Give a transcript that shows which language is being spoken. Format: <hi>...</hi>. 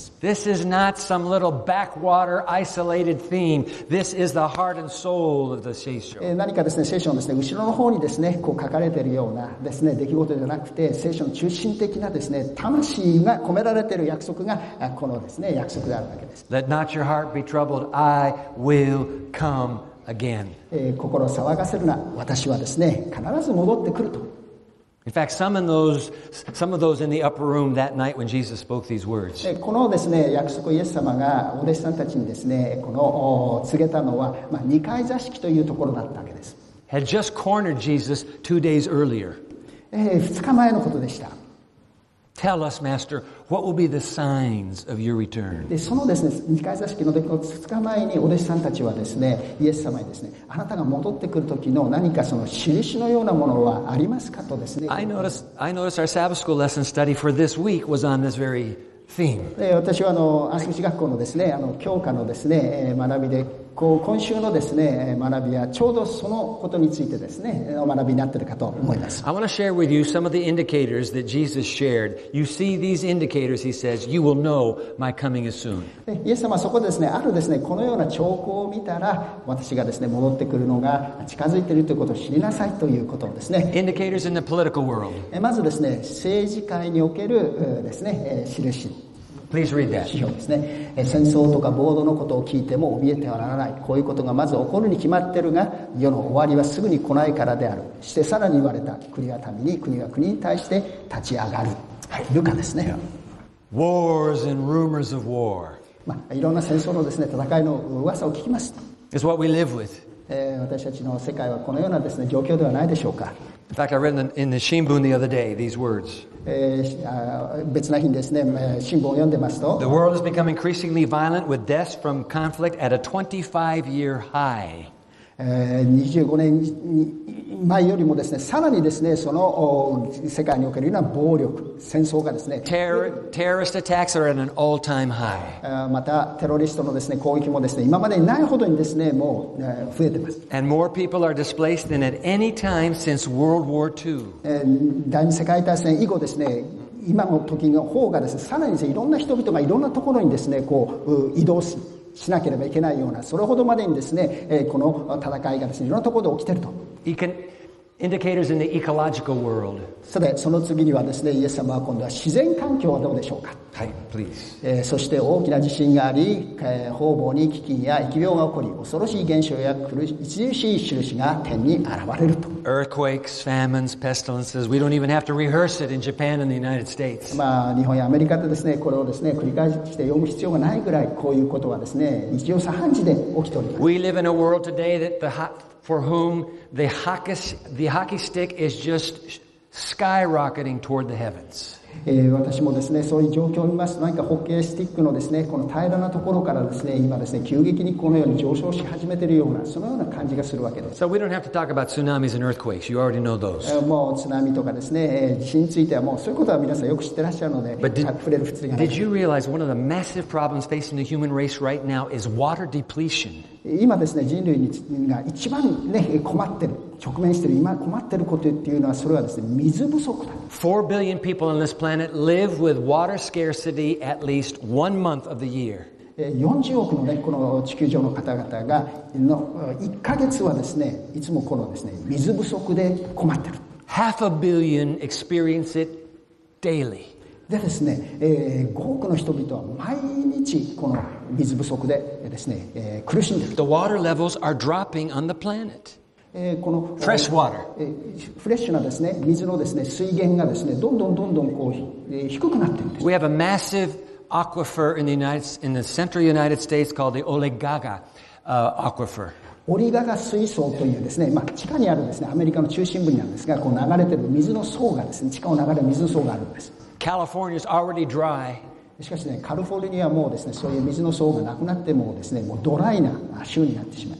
<en>This is not some little backwater, isolated theme. This is the heart and soul of the 聖書.</en> <ja>何かですね、聖書のですね、後ろの方にですね、こう書かれているようなですね、出来事じゃなくて、聖書の中心的なですね、魂が込められている約束がこのですね、約束である。</ja> <en>Let not your heart be troubled. I will come again.</en> <ja>心を騒がせるな。私はですね、必ず戻ってくると。</ja> <en>In fact, some of those in the upper room that night when Jesus spoke these words.</en> <ja>このですね、約束をイエス様がお弟子さんたちにですね、この告げたのは、まあ、2階座敷というところだったわけです。</ja> <en>Had just cornered Jesus 2 days earlier.</en> <ja>2日前のことでした。</ja> <en>Tell us, Master, what will be the signs of your return?</en> <ja>で、そのですね、二階座敷の出来事2日前にお弟子さんたちはですね、イエス様にですね、あなたが戻ってくる時の何かその印のようなものはありますかとですね。</ja> <en>I noticed our Sabbath school lesson study for this week was on this very theme.</en> <ja>で、私は安息日学校のですね、教科のですね、学びで、こう今週のですね、学びはちょうどそのことについてですね、お学びになっているかと思います。</ja> <en>I want to share with you some of the indicators that Jesus shared. You see these indicators, he says, you will know my coming is soon.</en> <ja>イエス様はそこでですね、あるですね、このような兆候を見たら、私がですね、戻ってくるのが近づいているということを知りなさいということですね。</ja> <en>Indicators in the political world.</en> <ja>まずですね、政治界におけるですね、印。</ja> <en>Please read that. 指</en> <ja>標ですね。戦争とか暴動のことを聞いても怯えてはならない。こういうことがまず起こるに決まってるが、世の終わりはすぐに来ないからである。してさらに言われた。国が民に、国が国に対して立ち上がる。はい、ルカですね。</ja> <en>Yeah. Wars and rumors of war.</en> <ja>まあ、いろんな戦争のですね、戦いの噂を聞きます。</ja> <en>It's what we live with.</en> <ja>私たちの世界はこのようなですね、状況ではないでしょうか。</ja> <en>In fact, I read in the Shinbun the other day these words.</en> <ja>別な日にですね、新聞を読んでますと、</ja> <en>The world has become increasingly violent with deaths from conflict at a 25-year high.</en> <ja>25年前よりもですね、さらにですね、その世界におけるような暴力、戦争がですね、</ja> <en>Terrorist attacks are at an all-time high.</en> <ja>また、テロリストのですね、攻撃もですね、今までにないほどにですね、もう増えてます。</ja> <en>And more people are displaced than at any time since World War II.</en> <ja>第二次世界大戦以降ですね、今の時の方がですね、さらにですね、いろんな人々がいろんなところにですね、こう、移動する。しなければいけないような、それほどまでにですね、この戦いがですね、いろんなところで起きていると。</ja> <en>Indicators in the ecological world.</en> <ja>さて、その次にはですね、イエス様は今度は自然環境はどうでしょうか。はい、please. そして大きな地震があり、方々に飢饉や疫病が起こり、恐ろしい現象や著しい印が天に現れると。</ja> <en>Earthquakes, famines, pestilences. We don't even have to rehearse it in Japan and the United States.</en> <ja>まあ、日本やアメリカでですね、これをですね、繰り返して読む必要がないぐらい、こういうことはですね、日常茶飯事で起きております。</ja> <en>We live in a world today that the hot... For whom the hockey stick is just skyrocketing toward the heavens.</en> <ja>私もですね、そういう状況を見ますと、何かホッケースティックのですね、この平らなところからですね、今ですね、急激にこのように上昇し始めているような、そのような感じがするわけです。</ja> <en>So we don't have to talk about tsunamis and earthquakes. You already know those.</en> <ja>もう津波とかですね、地震についてはもうそういうことは皆さんよく知ってらっしゃるので、触れる必要がない。</ja> <en>Did you realize one of the massive problems facing the human race right now is water depletion?</en> <ja>今ですね、人類が一番、ね、困ってる、直面している、今困ってることっていうのは、それはですね、水不足だ。</ja> <en>4 billion people on this planet live with water scarcity at least one month of the year.</en> <ja>40億の、ね、この地球上の方々がの1ヶ月はですね、いつもこのですね、水不足で困ってる。</ja> <en>Half a billion experience it daily.</en> <ja>でですね、5億の人々は毎日この水不足でですね、苦しんでいる。</ja> <en>The water levels are dropping on the planet.</en> <ja>この、</ja> <en>Fresh water.</en> <ja>フレッシュなですね、水のですね、水源がですね、どんどんどんどんこう、低くなっているんです。</ja> <en>We have a massive aquifer in the United States, in the central United States called the Olegaga, aquifer.</en> <ja>オリガガ水槽というですね、まあ、地下にあるですね、アメリカの中心部にあるんですが、こう流れている水の層がですね、地下を流れる水の層があるんです。</ja> <en>California's already dry.</en> <ja>しかしね、カリフォルニアはもうですね、そういう水の層がなくなってもですね、もうドライな州になってしまう。</ja>